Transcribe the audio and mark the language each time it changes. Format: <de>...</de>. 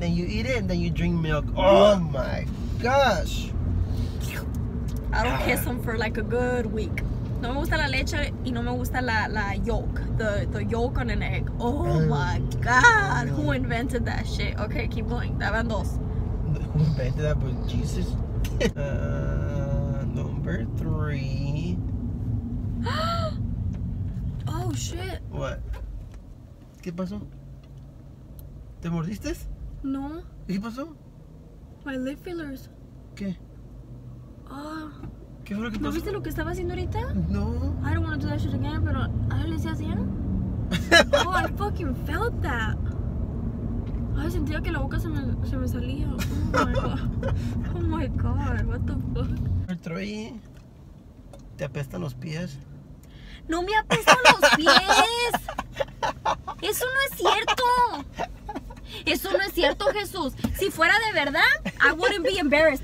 <en>Then you eat it and then you drink milk. Oh my gosh. I don't kiss him for like a good week.</en> <es>No me gusta la leche y no me gusta la</es> <en>yolk. The yolk on an egg. Oh my god. Who invented that shit? Okay, keep going. That</en> <es>van dos.</es> <en>Who invented that? But Jesus. Number 3. Oh shit. What?</en> <es>¿Qué pasó? ¿Te mordiste? No. ¿Qué pasó?</es> <en>My lip fillers.</en> <es>¿Qué? Ah. ¿Qué fue lo que pasó? ¿No viste lo que estaba haciendo ahorita? No.</es> <en>I don't want to do that shit again,</en> <es>pero ¿ahora le decía así?</es> <en>Oh, I fucking felt that.</en> <es>Ay, sentía que la boca se me salía.</es> <en>Oh my god. Oh my god, what the fuck.</en> <es>Troy, ¿te apestan los pies? ¡No me apestan los pies! ¡Eso no es cierto! ¡Eso no es cierto, Jesús! Si fuera de verdad,</es> <en>I wouldn't be embarrassed.</en>